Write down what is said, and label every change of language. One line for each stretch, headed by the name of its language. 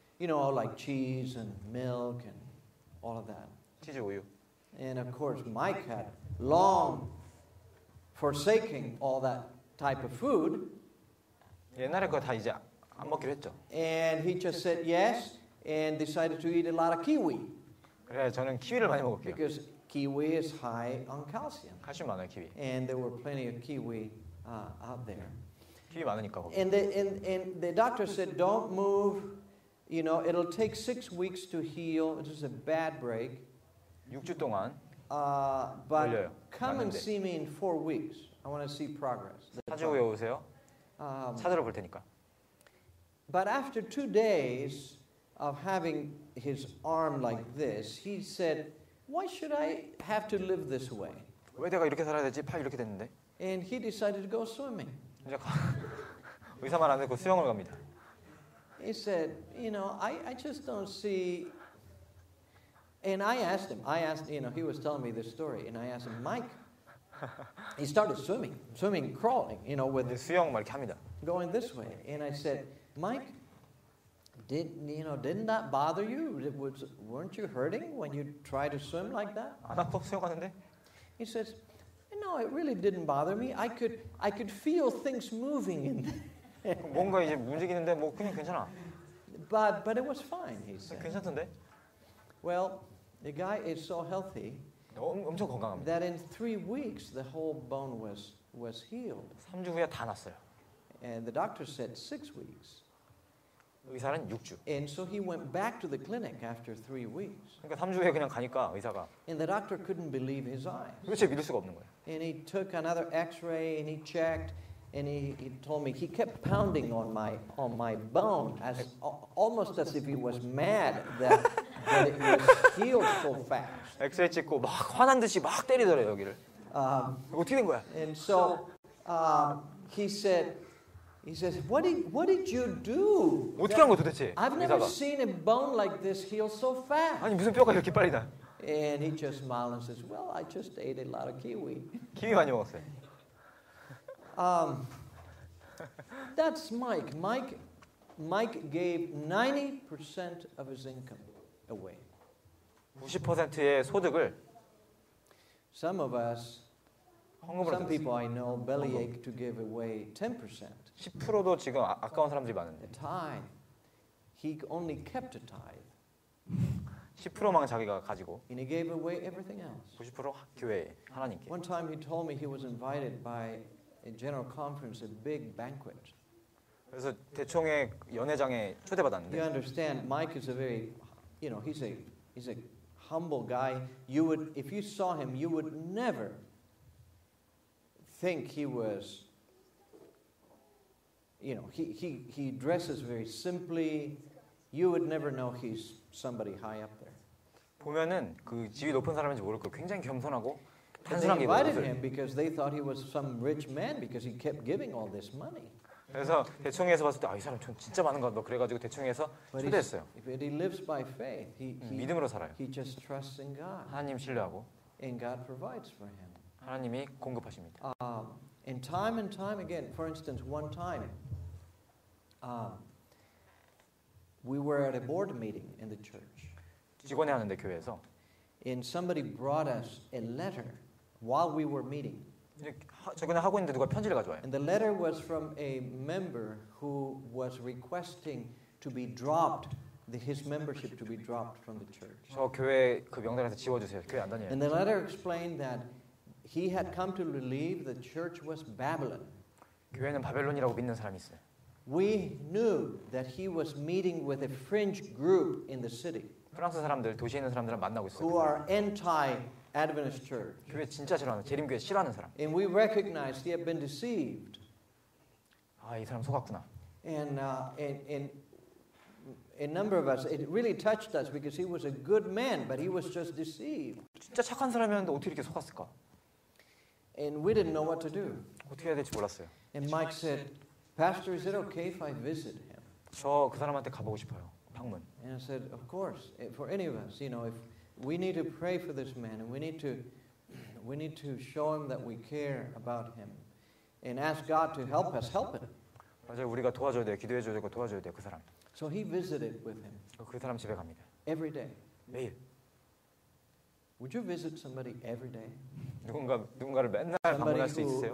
English: You know, like cheese and milk and all of that.
Korean: 치즈 우유.
English: And of course Mike had long forsaken all that type of food.
Korean: 옛날에 거 다 이제 안 먹기로 했죠.
English: And he just said yes and decided to eat a lot of kiwi.
Korean: 그래, 저는 키위를 많이 먹을게요.
English: Because kiwi is high on calcium.
Korean: 칼슘 많아요, 키위.
English: And there were plenty of kiwi out there.
Korean: 키위 많으니까 거기.
English: And the doctor said don't move. You know, it'll take 6 weeks to heal. It is a bad break.
Korean: 6주 동안.
English: But
Korean: 걸려요,
English: come
Korean: 맞는데.
English: And see me in 4 weeks. I want to see progress.
Korean: 4주 후에 오세요. 찾으러 볼 테니까.
English: But after 2 days of having his arm like this, he said, "Why should I have to live this way?"
Korean: 왜 내가 이렇게 살아야 되지? 팔 이렇게 됐는데.
English: And he decided to go swimming.
Korean: 이제 의사 말 안 듣고 수영을 갑니다.
English: He said, "You know, I just don't see." And I asked him. I asked, you know, he was telling me this story, and I asked him, "Mike." He started swimming, crawling, you know, with
Korean: 수영 막 이렇게 합니다.
English: Going this way, and I said. Mike, didn't that bother you? Weren't you hurting when you tried to swim like that?
Korean: 안 아파 수영하는데?
English: He says, "No, it really didn't bother me. I could feel things moving in there."
Korean: 뭔가 이제 움직이는데 뭐 그냥 괜찮아.
English: But it was fine. He said.
Korean: 괜찮던데?
English: Well, the guy is so healthy.
Korean: 엄청 건강합니다.
English: That in 3 weeks the whole bone was healed.
Korean: 3주 후에 다 났어요.
English: And the doctor said 6 weeks.
Korean: 의사는 6주.
English: And so he went back to the clinic after 3 weeks.
Korean: 그러니까 3주 후에 그냥 가니까 의사가.
English: And the doctor couldn't believe his eyes.
Korean: 도대체 믿을 수가 없는 거예요.
English: And he took another X-ray and he checked and he told me he kept pounding on my bone as almost as if he was mad that that it was healed so fast.
Korean: X-ray 찍고 막 화난 듯이 막 때리더래 여기를. 어떻게 된 거야?
English: And so he said. He says, "What did you do?"
Korean: 어떻게 한 거 도대체?
English: I've never seen a bone like this heal so fast.
Korean: 아니 무슨 뼈가 이렇게 빨리 나?
English: And he just smiles and says, "Well, I just ate a lot of kiwi."
Korean: 키위 많이 먹었어요.
English: That's Mike. Mike gave 90% of his income away.
Korean: 90%의 소득을.
English: Some of us. Some people I know bellyache to give away 10%.
Korean: 10%도 지금 아까운 사람들이 많은데.
English: Tithe. He only kept a tithe.
Korean: 10%만 자기가 가지고.
English: And he gave away everything else.
Korean: 90% 교회에 하나님께.
English: One time he told me he was invited by a general conference, a big banquet.
Korean: 그래서 대총회 연회장에 초대받았는데.
English: You understand, Mike is a very, you know, he's a humble guy. You would, if you saw him, you would never. Think he was, you know, he dresses very simply. You would never know he's somebody high up there.
Korean: 보면은 그 지위 높은 사람인지 모를 거. 굉장히 겸손하고 단순한 게 보여서.
English: They invited him because they thought he was some rich man because he kept giving all this money.
Korean: 그래서 대총회에서 봤을 때 아, 이 사람 진짜 많은 거 같다. 그래가지고 대총회에서 초대했어요.
English: But he lives by faith. He
Korean: 믿음으로 살아요.
English: He just trusts in God.
Korean: 하나님 신뢰하고.
English: And God provides for him.
Korean: 하나님이 공급하십니다.
English: And time and time again, for instance, one time, we were at a board meeting in the church.
Korean: 직원회 하는데 교회에서.
English: And somebody brought us a letter while we were meeting.
Korean: 적용을 하고 있는데 누가 편지를 가져와요.
English: And the letter was from a member who was requesting to be dropped, his membership to be dropped from the church.
Korean: 저 교회 그 명단에서 지워주세요. 교회 안 다녀요.
English: And the letter explained that he had come to believe the church was Babylon.
Korean: 교회는 바벨론이라고 믿는 사람이 있어요.
English: We knew that he was meeting with a fringe group in the city.
Korean: 프랑스 사람들, 도시에 있는 사람들을 만나고 있어요.
English: Who are anti-Adventist church.
Korean: 교회 진짜 싫어하는, 재림교회 싫어하는 사람.
English: And we recognized he had been deceived.
Korean: 아, 이 사람 속았구나.
English: And a number of us, it really touched us because he was a good man, but he was just deceived.
Korean: 진짜 착한 사람이었는데 어떻게 이렇게 속았을까?
English: And we didn't know what to do.
Korean: 어떻게 해야 될지 몰랐어요.
English: And Mike said, Pastor, is it okay if I visit him?
Korean: 저 그 사람한테 가보고 싶어요. 방문.
English: And I said, of course, for any of us, you know, if we need to pray for this man and we need to show him that we care about him and ask God to help us, help him.
Korean: 맞아요. 우리가 도와줘야 돼요. 기도해 줘야 되고 도와줘야 돼요. 그 사람.
English: So he visited with him.
Korean: 그 사람 집에 갑니다.
English: Every day.
Korean: 매일.
English: Would you visit somebody every day?
Korean: 누군가를 맨날 방문할 수 있으세요?